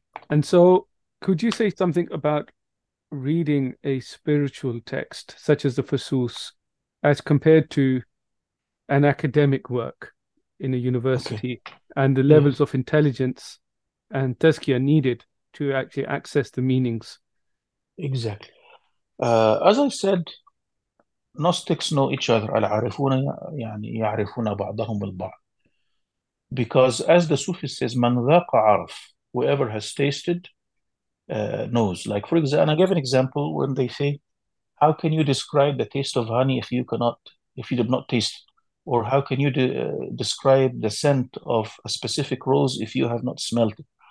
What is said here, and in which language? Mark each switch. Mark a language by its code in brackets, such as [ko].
[en] And so could you say something about reading a spiritual text such as the Fusus as compared to an academic work in a university, okay, and the levels of intelligence and tazkiyah needed to actually access the meanings? Exactly. As I said, Gnostics know each other. [ar] العارفون يعني يعرفون بعضهم البعض. [en] Because as the Sufi says, [ar] من ذاق عرف, [en] whoever has tasted knows. Like, for example, and I give an example when they say, how can you describe the taste of honey if you did not taste it? Or how can you describe the scent of a specific rose if you have not smelled it?